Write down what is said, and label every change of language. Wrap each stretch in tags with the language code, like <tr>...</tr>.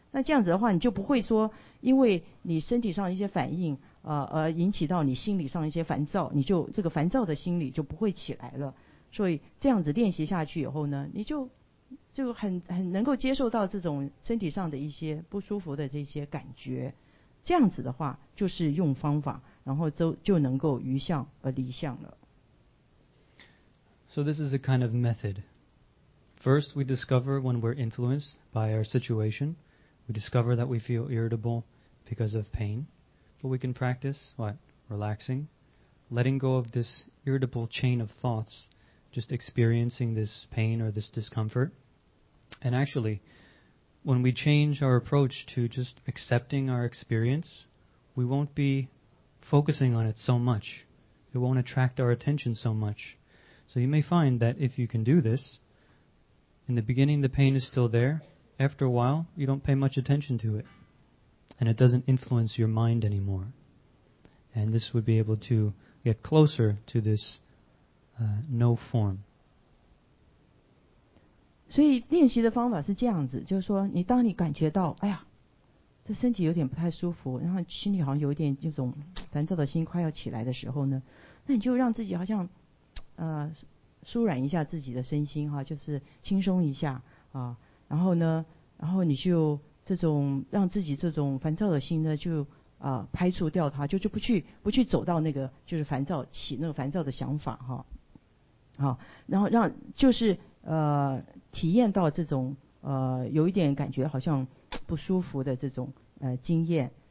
<zh>那这样子的话，你就不会说因为你身体上一些反应而引起到你心理上一些烦躁，你就这个烦躁的心理就不会起来了。所以这样子练习下去以后呢，你就很能够接受到这种身体上的一些不舒服的这些感觉。这样子的话，就是用方法，然后就能够于相而离相了。</zh> <en>So this is a kind of method. First, we discover when we're influenced by our situation. We discover that we feel irritable because of pain. But we can practice, what? Relaxing, letting go of this irritable chain of thoughts, just experiencing this pain or this discomfort. And actually, when we change our approach to just accepting our experience, we won't be focusing on it so much. It won't attract our attention so much. So you may find that if you can do this, in the beginning the pain is still there. After a while, you don't pay much attention to it. And it doesn't influence your mind anymore. And this would be able to get closer to this no form.</en> <zh>所以练习的方法是这样子，就是说你当你感觉到哎呀这身体有点不太舒服，然后心里好像有点这种烦躁的心快要起来的时候呢，那你就让自己好像舒软一下自己的身心哈，就是轻松一下啊，然后你就这种让自己这种烦躁的心呢就排除掉它，就不去走到那个就是烦躁起那个烦躁的想法哈，好，然后让就是体验到这种有一点感觉好像不舒服的这种经验。</zh>